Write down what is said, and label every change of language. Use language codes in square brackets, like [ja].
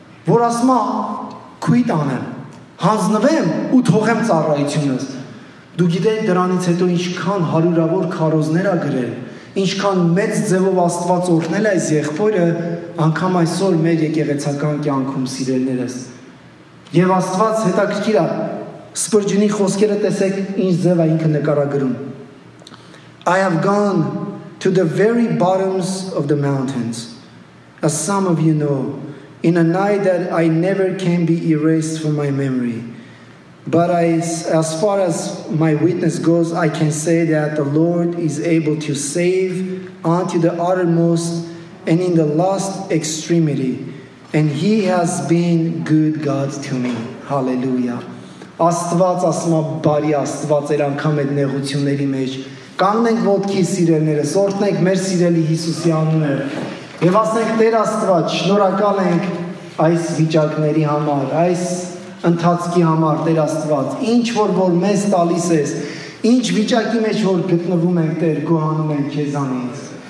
[hy] որ ասում են քույտ անեմ, հանձնվեմ ու թողեմ ծառայությունս։ Դու գիտեի դրանից հետո ինչքան հարյուրավոր քարոզներ ա գրել, ինչքան մեծ ձևով Աստված օրհնել այս եղբորը, անգամ այսօր մեր եկեղեցական կյանքում սիրելներս։ Եվ Աստված հետաքրքիր ա, Սպրջինի խոսքերը տեսեք ինչ ձև ա ինքը նկարագրում. [en] I have gone to the very bottoms of the mountains, as some of you know, in a night that I never can be erased from my memory. But as far as my witness goes, I can say that the Lord is able to save unto the uttermost and in the last extremity. And He has been good God to me. Hallelujah. [hy] Աստված ասում է բարի Աստված էր անգամ այդ նեղությունների մեջ. Կանգնենք ոտքի սիրելները, սորտնենք մեր սիրելի Հիսուսի անունը. Եվ ասենք Տեր Աստված, շնորհակալ ենք այս վիճակների համար, այս ընթացքի համար Տեր Աստված, ինչ որ մեզ տալիս ես, ինչ վիճակի մեջ որ գտնվում ենք Տեր, գոհանում ենք քեզանից։